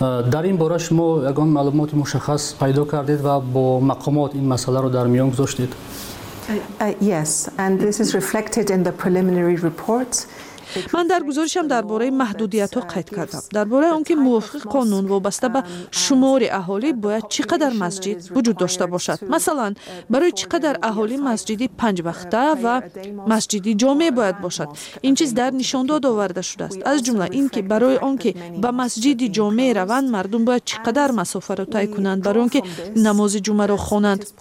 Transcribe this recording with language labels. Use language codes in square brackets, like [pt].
[fa] در این باره شما یگان معلومات مشخص پیدا کردید و با مقامات این مسئله رو در میان گذاشتید؟ [en] Yes, and this is reflected in the preliminary report. [fa] من در گزارشم درباره محدودیت‌ها قید کردم. درباره آنکه موافق قانون وابسته به شمار اهالی باید چقدر مسجد وجود داشته باشد. مثلا برای چقدر اهالی مسجدی پنج وقته و مسجدی جامعه باید باشد. این چیز در نشان داد آورده شده است. از جمله اینکه برای آنکه به مسجدی جامعه روند مردم باید چقدر مسافر را طی کنند برای آنکه نماز جمعه را خوانند.